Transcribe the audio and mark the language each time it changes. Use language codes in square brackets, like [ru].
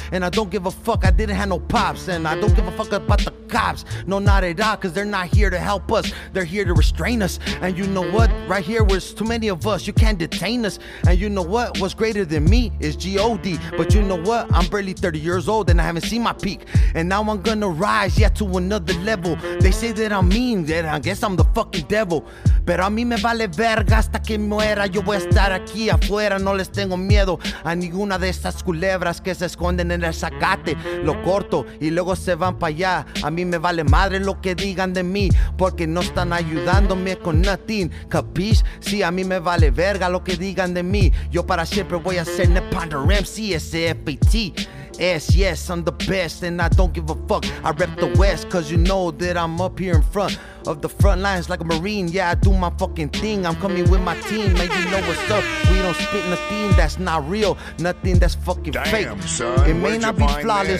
[en] And I don't give a fuck, I didn't have no pops. And I don't give a fuck about the cops, no, not at all, cause they're not here to help us, they're here to restrain us. And you know what? Right here, there's too many of us, you can't detain us. And you know what? What's greater than me is G-O-D. But you know what? I'm barely 30 years old and I haven't seen my peak. And now I'm gonna rise, yeah, to another level. They say that I'm mean, that I guess I'm the fucking devil. [es] Pero a mí me vale verga hasta que muera. Yo voy a estar aquí afuera, no les tengo miedo a ninguna de esas culebras que se esconden en el zacate. Lo corto y luego se van pa' allá. A mí me vale madre lo que digan de mí, porque no están ayudándome con nothing. Capiche? Sí, a mí me vale verga lo que digan de mí. Yo para siempre voy a ser Nepander MC, S-F-A-T. [en] Yes, yes, I'm the best and I don't give a fuck. I rep the West, cause you know that I'm up here in front of the front lines like a Marine. Yeah, I do my fucking thing, I'm coming with my team. Man, you know what's up, we don't spit nothing that's not real, nothing that's fucking damn, fake son, it may not be flawless